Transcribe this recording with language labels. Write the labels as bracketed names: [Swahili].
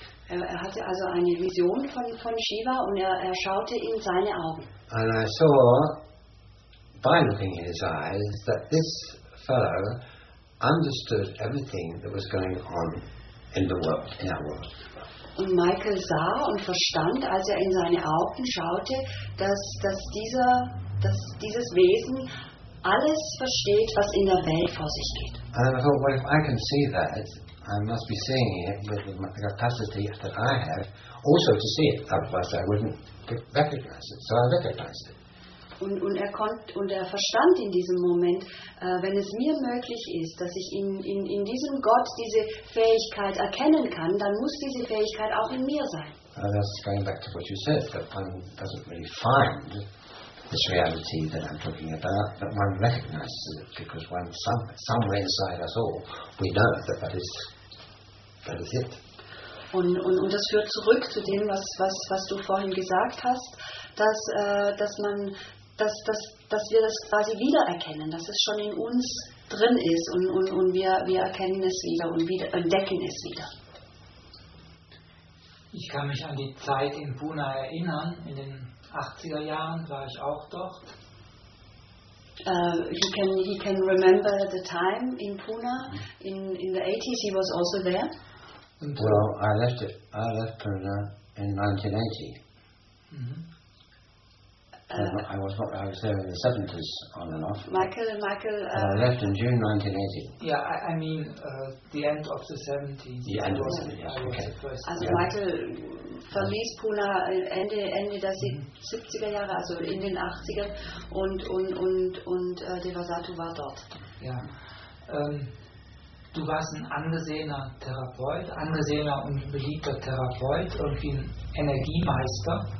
[German] Er hatte also eine Vision von Shiva und er schaute in seine Augen. [English] And I saw, by looking in his eyes, that this fellow understood everything that was going on in the world, in our world. [German] Und Michael sah und verstand, als er in seine Augen schaute, dass dieses Wesen alles versteht, was in der Welt vor sich geht. [English] And I thought, well, if I can see that, I must be seeing it with the capacity that I have also to see it, otherwise I wouldn't recognize it. So I recognized it. [German] Und er verstand in diesem Moment, wenn es mir möglich ist, dass ich in diesem Gott diese Fähigkeit erkennen kann, dann muss diese Fähigkeit auch in mir sein. [English] Well, that's going back to what you said, that one doesn't really find this reality that I'm talking about, that one recognizes it, because one somewhere inside us all, we know that is it. [German] Und das führt zurück zu dem, was du vorhin gesagt hast, dass wir das quasi wiedererkennen, dass es schon in uns drin ist und wir erkennen es wieder und wieder, entdecken es wieder. Ich kann mich an die Zeit in Pune erinnern. In den 80er Jahren war ich auch dort. [English] He can remember the time in Pune. In the 80s he was also there. Und well, I left Pune in 1980. Mm-hmm. I was there in the 70s on and off. Michael. I left in June 1980. Yeah, I mean the end of the 70s. The end of the 70s, yeah. Okay. Also yeah. [German] Michael verließ Pune Ende der 70er Jahre, also in den 80ern, und Devasatu war dort. Ja. Du warst ein angesehener Therapeut, angesehener und beliebter Therapeut und ein Energiemeister.